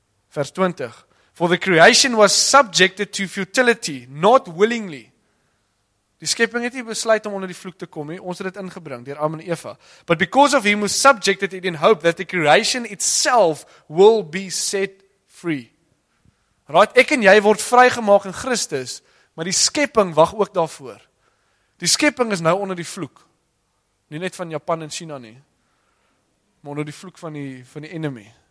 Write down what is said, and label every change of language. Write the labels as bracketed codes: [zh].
[en] Vers 20, for the creation was subjected to futility, not willingly. [af] Die skepping het nie besluit om onder die vloek te kom nie. Ons het dit ingebring deur Adam en Eva. [en] But because of him was subjected it in hope that the creation itself will be set free. [af] Right, ek en jy word vrygemaak in Christus, maar die skepping wag ook daarvoor. Die skepping is nou onder die vloek. Nie net van Japan en China nie, maar onder die vloek van die enemy.